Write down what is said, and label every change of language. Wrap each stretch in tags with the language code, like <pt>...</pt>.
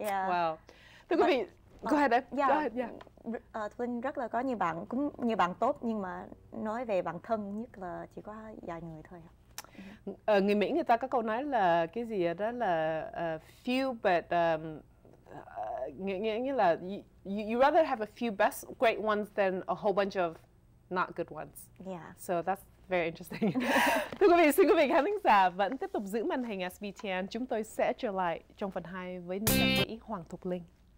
<vi>Wow. Thưa quý vị,</vi> <en>go ahead</en> <vi>em. Yeah.</vi> <en>Go ahead, yeah.</en> <vi>Twin rất là có nhiều bạn, cũng nhiều bạn tốt, nhưng mà nói về bạn thân nhất là chỉ có vài người thôi. Người Mỹ người ta có câu nói là cái gì đó là</vi> <en>few but...</en> <vi>nghĩa là</vi> <en>you rather have a few best great ones than a whole bunch of not good ones. Yeah. So that's very interesting.</en> <vi>Thưa quý vị, xin quý vị khán thính giả vẫn tiếp tục giữ màn hình SBTN. Chúng tôi sẽ trở lại trong phần 2 với nữ ca sĩ Hoàng Thục Linh.</vi>